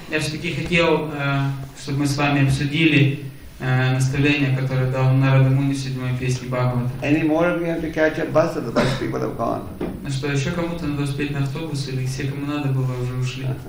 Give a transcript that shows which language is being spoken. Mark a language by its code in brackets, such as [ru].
[ru] Я все-таки хотел, чтобы мы с вами обсудили наставление, которое дал Нарада Муни в седьмой песне Бхагавата. [en] Any more of you have to catch a bus, or the bus people have gone. [ru] Ну что, еще кому-то надо успеть на автобус, или все, кому надо было, уже ушли.